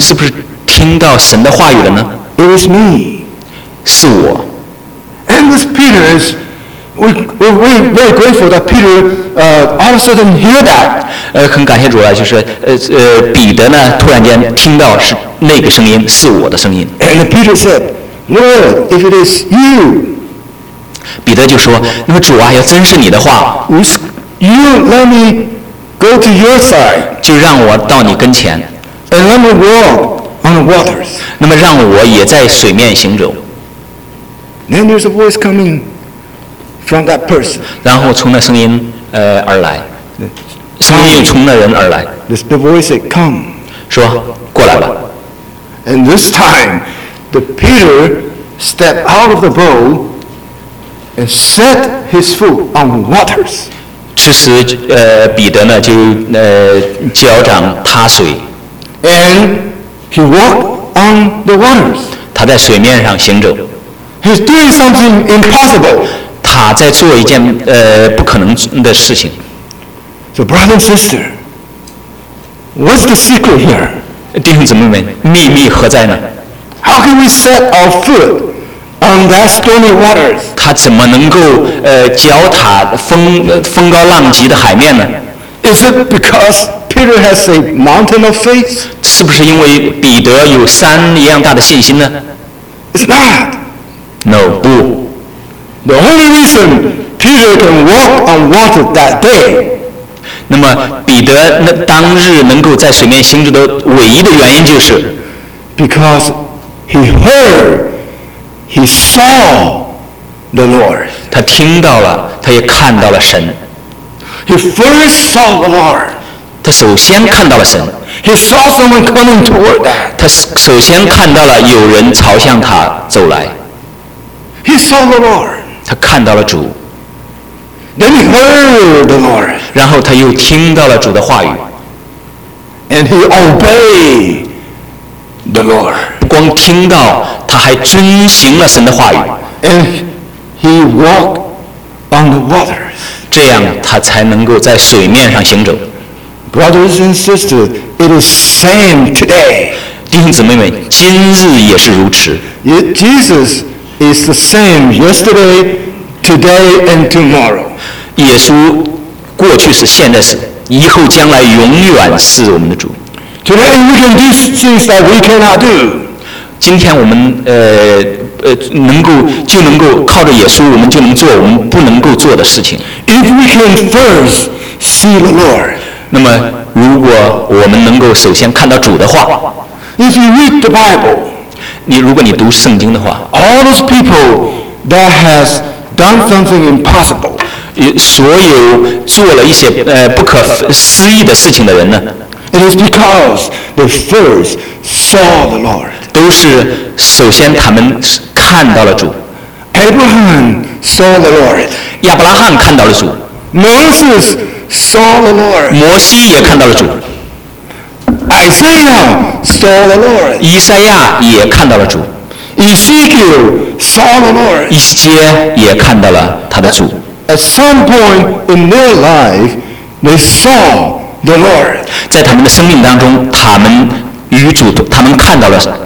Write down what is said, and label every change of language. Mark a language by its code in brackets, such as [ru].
[zh] 是不是听到神的话语了呢 [en] ？It was me. [zh] 是我。 [en] And this Peter is, we're very grateful that Peter all of a sudden hear that. [zh] 很感谢主啊，就是彼得呢突然间听到是那个声音，是我的声音。 [en] And Peter said, Lord, if it is you, [zh] 彼得就说，那么主啊，要真是你的话 [en] ，You let me go to your side, [zh] 就让我到你跟前 [en] ，And let me walk on the waters. [zh] 那么让我也在水面行走。 [en] Then there's a voice coming from that person. [zh] 然后从那声音而来，声音又从那人而来。 [en] The voice said, "Come." [zh] 说过来吧。 [en] And this time, the Peter stepped out of the boat and set his foot on waters. [zh] 此时彼得呢就脚掌踏水。 [en] And he walked on the waters. [zh] 他在水面上行走。 [en] He's doing something impossible. [zh] 他在做一件不可能的事情。 [en] So, brother and sister, what's the secret here? [zh] 弟兄姊妹们，秘密何在呢？ [en] How can we set our foot on that stormy waters? [zh] 他怎么能够脚踏风高浪急的海面呢？ [en] Is it because Peter has a mountain of faith? [zh] 是不是因为彼得有山一样大的信心呢？ [en] It's not. No, no. The only reason Peter can walk on water that day. [zh] 那么彼得那当日能够在水面行走的唯一的原因就是 [en] because he heard, he saw the Lord. [zh] 他听到了，他也看到了神。 [en] He first saw the Lord. [zh] 他首先看到了神。 [en] He saw someone coming toward that. [zh] 他首先看到了有人朝向他走来。 [en] He saw the Lord. [zh] 他看到了主。 [en] Then he heard the Lord. [zh] 然后他又听到了主的话语。 [en] And he obeyed the Lord. [zh] 不光听到，他还遵行了神的话语。 [en] And he walked on the waters. [zh] 这样他才能够在水面上行走。 [en] Brothers and sisters, it is same today. [zh] 弟兄姊妹们，今日也是如此。 [en] Jesus. Is the same yesterday, today, and tomorrow. [zh] 耶稣过去是现在是以后将来永远是我们的主。 [en] Today we can do things that we cannot do. [zh] 今天我们能够就能够靠着耶稣，我们就能做我们不能够做的事情。 [en] If we can first see the Lord， [zh] 那么如果我们能够首先看到主的话 [en] ，If you read the Bible， [zh] 你如果你读圣经的话 [en] ，All those people that has done something impossible， [zh] 所有做了一些不可思议的事情的人呢 [en] ？It is because they first saw the Lord。 [zh] 都是首先他们看到了主。 [en] Abraham saw the Lord。 [zh] 亚伯拉罕看到了主。 [en] Moses saw the Lord。 [zh] 摩西也看到了主。 [en] Isaiah saw the Lord。 [zh] 以赛亚也看到了主。 [en] Ezekiel saw the Lord。 [zh] 以西结也看到了他的主。 [en] At some point in their life, they saw the Lord。 [zh] 在他们的生命当中，他们与主，他们看到了。